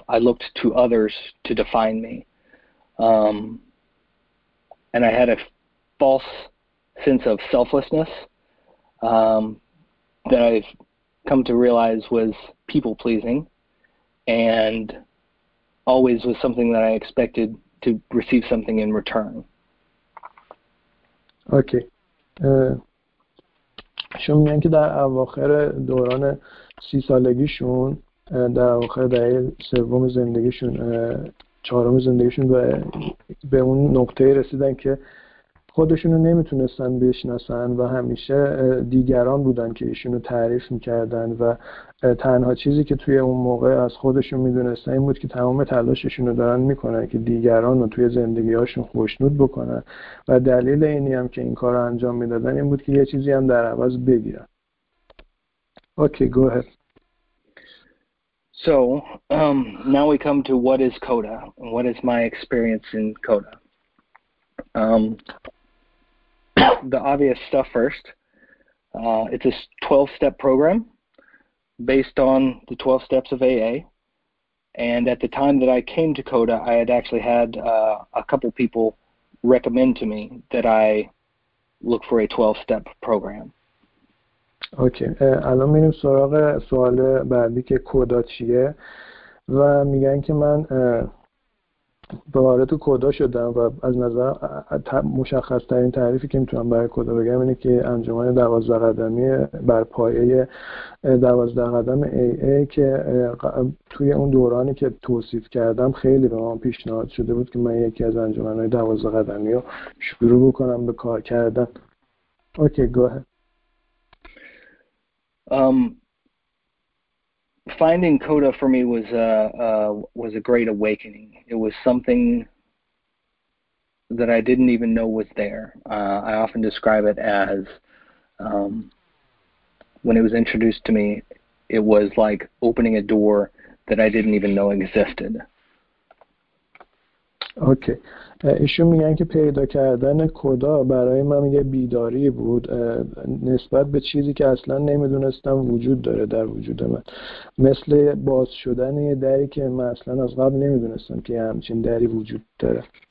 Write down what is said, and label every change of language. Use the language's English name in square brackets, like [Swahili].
[English] I looked to others to define me. And I had a false sense of selflessness that I've come to realize was people-pleasing and always was something that I expected to receive something in return. Okay. [Persian] شون میگن که در اواخر دوران 30 سالگیشون، در اواخر دهه سوم زندگیشون، چهارم زندگیشون، به اون نقطه رسیدن که خودشونو نمیتونستن بشناسن و همیشه دیگران بودن که ایشونو تعریف میکردن و تنها چیزی که توی اون موقع از خودشون میدونستن این بود که تمام تلاششونو دارن میکنن که دیگران رو توی زندگیهاشون خوشنود بکنن و دلیل اینی هم که این کار انجام میدادن این بود که یه چیزی هم در عوض بگیرن. [English] Okay, go ahead. So now we come to what is CODA and what is my experience in CODA. The obvious stuff first. It's a 12-step program based on the 12 steps of AA. And at the time that I came to CODA, I had actually had a couple people recommend to me that I look for a 12-step program. [Persian] اوکی، الان میریم سراغ سوال بعدی که کودا چیه و میگن که من به وارد کودا شدم و از نظر مشخص ترین تعریفی که میتونم برای کودا بگم اینه که انجمن 12 قدمی بر پایه 12 قدم AA که توی اون دورانی که توصیف کردم خیلی به من پیشنهاد شده بود که من یکی از انجمنهای 12 قدمی رو شروع بکنم به کار کردن. [English] Okay, go ahead. Finding CODA for me was a great awakening. It was something that I didn't even know was there. I often describe it as when it was introduced to me, it was like opening a door that I didn't even know existed. [Persian] اوکی، ایشون میگن که پیدا کردن کودا برای من یه بیداری بود نسبت به چیزی که اصلا نمیدونستم وجود داره در وجود من، مثل باز شدن یه دری که من اصلا از قبل نمیدونستم که همچین دری وجود داره.